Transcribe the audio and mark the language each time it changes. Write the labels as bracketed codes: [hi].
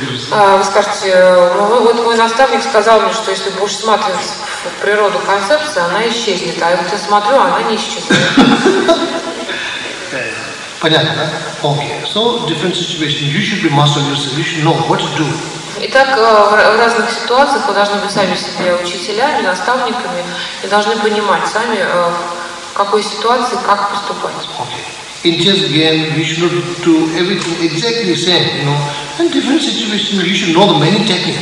[ru] Вы скажете, вот мой наставник сказал мне, что если будешь смотреть в природу концепции, она исчезнет, а вот я смотрю, она не исчезнет. Понятно, да? Okay. [en] So different situation. You should be master yourself. You should know what to do. [ru] Итак, в разных ситуациях вы должны быть сами себе учителями, наставниками и должны понимать сами, в какой ситуации как поступать. [en] Okay. In chess game, you should do everything exactly the same, you know. In different situations, you should know the many techniques.